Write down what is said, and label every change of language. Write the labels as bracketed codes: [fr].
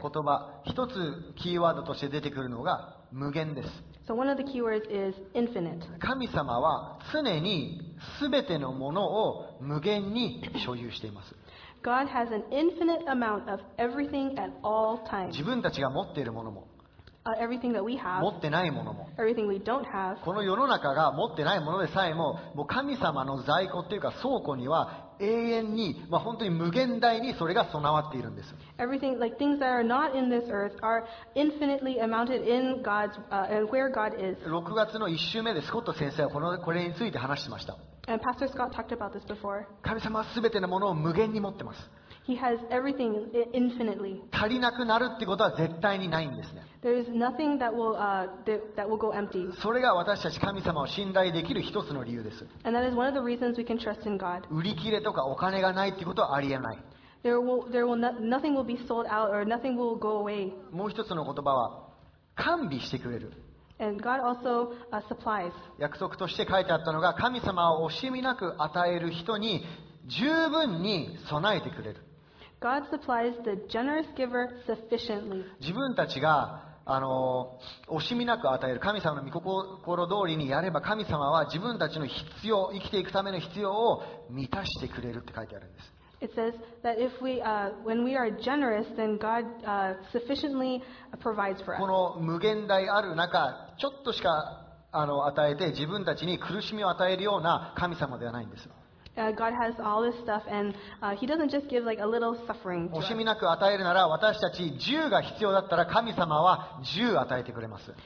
[ja] さっきの言葉、一つキーワードとして出てくるのが無限です。 [en] So one of the keywords is infinite. [ja] 神様は常に全てのものを無限に所有しています。 [en] God has an infinite amount of everything at all times. [ja] 自分たちが持っているものも、 [en] everything that we have, [ja] 持ってないものも、 [en] everything we don't have, [ja] この世の中が持ってないものでさえも、もう神様の在庫っていうか倉庫には永遠に、本当に無限大にそれが備わっているんです。 [en] Everything, like things that are not in this earth, are infinitely amounted in God's, where God is. [ja] 6月の1週目でスコット先生はこれについて話してました。 [en] And Pastor Scott talked about this before. [ja] 神様は全てのものを無限に持ってます。 [en] He has everything infinitely. [ja] 足りなくなるってことは絶対にないんですね。 [en] There is nothing that will go empty. [ja] それが私たち神様を信頼できる一つの理由です。 [en] And that is one of the reasons we can trust in God. [ja] 売り切れとかお金がないってことはありえない。 [en] Nothing will be sold out or nothing will go away. [ja] もう一つの言葉は、完備してくれる。 [en] And God also supplies. [ja] 約束として書いてあったのが、神様を惜しみなく与える人に十分に備えてくれる。 [en] God supplies the generous giver sufficiently. [ja] 自分たちが惜しみなく与える、神様の御心通りにやれば、神様は自分たちの必要、生きていくための必要を満たしてくれるって書いてあるんです。 [en] It says that if we, when we are generous, then God sufficiently provides for us. [ja] この無限大ある中、ちょっとしか与えて自分たちに苦しみを与えるような神様ではないんですよ。 [en] God has all this stuff, and He doesn't just give like a little suffering. [ja] 惜しみなく与えるなら、私たち十が必要だったら、神様は十与えてくれます。